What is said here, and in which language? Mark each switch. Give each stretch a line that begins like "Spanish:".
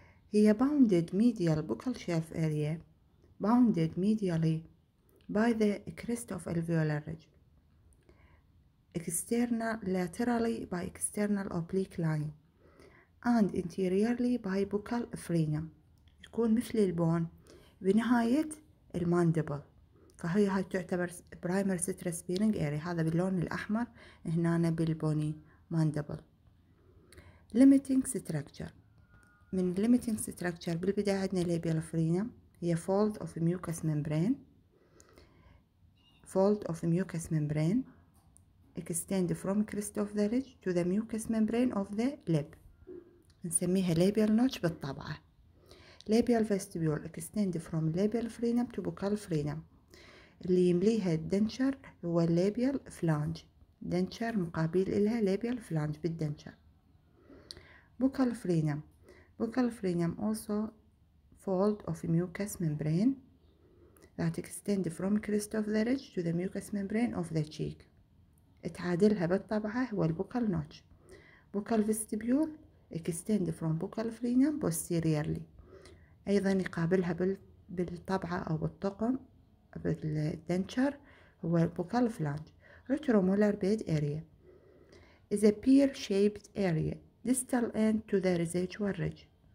English: هي bounded medial buccal shelf area. Bounded medially by the crest of alveolar ridge, external laterally by external oblique line, and interiorly by buccal frenum.
Arabic: يكون مثل البون بنهاية المانديبل، فهي هاي تعتبر
English: primary stress bearing area.
Arabic: هذا باللون الأحمر هنا بالبوني مانديبل.
English: Limiting structure.
Arabic: من
English: limiting structure
Arabic: بالبداية عندنا
English: labial frenum. هي fold of mucous membrane. Fold of mucous membrane extend from crest of the ridge to the mucous membrane of the lip.
Arabic: نسميها labial notch بالطبع.
English: Labial vestibule extend from labial frenum to buccal frenum.
Arabic: اللي يمليها
English: denture هو labial flange. Denture
Arabic: مقابل لها
English: labial flange بالdenture. Buccal frenum. Buccal frenum also fold of mucous membrane that extend from crest of the ridge to the mucous membrane of the cheek.
Arabic: اتعادلها بالطبع هو البوكال نوتش.
English: Buccal vestibule extend from buccal frenum posteriorly.
Arabic: ايضا يقابلها بالطبع او بالطقم بالدنشر هو البوكال فلانج.
English: Retromolar bed area is a pear shaped area distal end to the residual ridge.